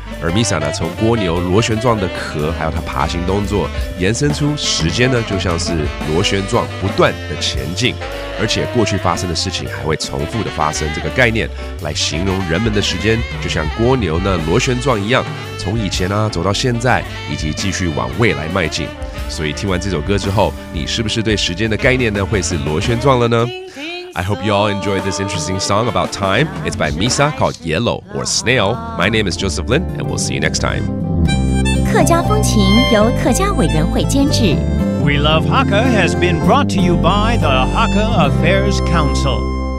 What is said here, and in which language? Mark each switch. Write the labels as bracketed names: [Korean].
[Chinese] 而 Misa 呢，从蝸牛螺旋状的壳，还有她爬行动作，延伸出时间呢，就像是螺旋状不断的前进，而且过去发生的事情还会重复的发生这个概念，来形容人们的时间，就像蝸牛那螺旋状一样，从以前呢、啊、走到现在，以及继续往未来迈进。所以听完这首歌之后，你是不是对时间的概念呢会是螺旋状了呢？ [English] I hope you all enjoyed this interesting song about time. It's by Misa called Yellow or Snail. My name is Joseph Lin and we'll see you next time. [Chinese] 客家风情由客家委员会监制。 [English] We Love Hakka has been brought to you by the Hakka Affairs Council.